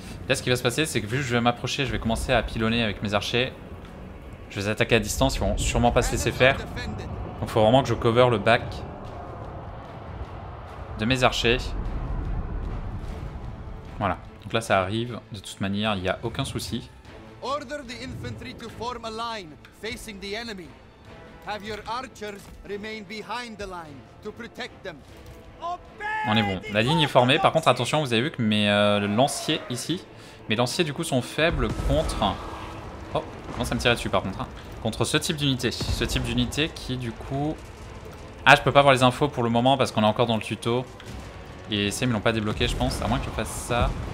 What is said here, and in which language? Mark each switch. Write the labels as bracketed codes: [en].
[fr] Là ce qui va se passer c'est que vu que je vais m'approcher, je vais commencer à pilonner avec mes archers. Je vais les attaquer à distance, ils vont sûrement pas se laisser faire. Donc il faut vraiment que je [en] cover [fr] le [en] back [fr] de mes archers. Voilà, donc là ça arrive, de toute manière il n'y a aucun souci. [en] Order the infantry to form a line facing the enemy. Have your archers remain behind the line to protect them. [fr] On est bon, la ligne est formée, par contre attention vous avez vu que mes lanciers ici, mes lanciers du coup sont faibles contre... Oh, comment ça me tirait dessus par contre hein. Contre ce type d'unité. Ce type d'unité qui du coup... Ah, je peux pas avoir les infos pour le moment parce qu'on est encore dans le tuto. Et ça, ils l'ont pas débloqué je pense. À moins que je fasse ça.